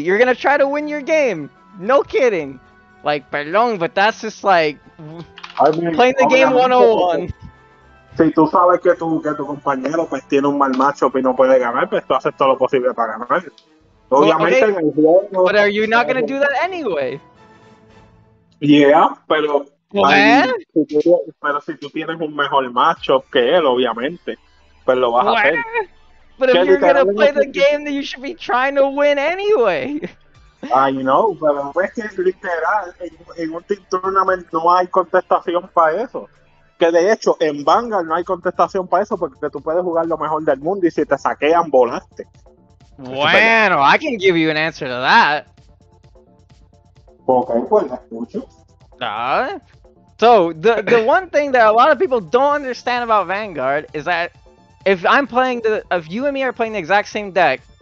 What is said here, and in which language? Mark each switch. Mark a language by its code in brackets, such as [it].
[en] You're gonna try to win your game? No kidding. Like, perdón, but that's just like, I mean, playing the game 101. [es] Si tú sabes que tu compañero pues tiene un mal matchup y no puede ganar, pues tú haces todo lo posible para ganar. Obviamente, en el juego... [en] But are you not going to do that anyway? [es] Yeah, pero... Pero si tú tienes un mejor matchup que él, obviamente, pues lo vas a hacer. [en] But if you're going to play the game, then you should be trying to win anyway. I know, [es] pero es que literal, en un team tournament no hay contestación para eso. Que de hecho, en Vanguard no hay contestación para eso, porque tú puedes jugar lo mejor del mundo y si te saquean, volaste. [en] Bueno, I can give you an answer to that. [es] Ok, pues la escucho. [en] So, the one thing that a lot of people don't understand about Vanguard is that if you and me are playing the exact same deck,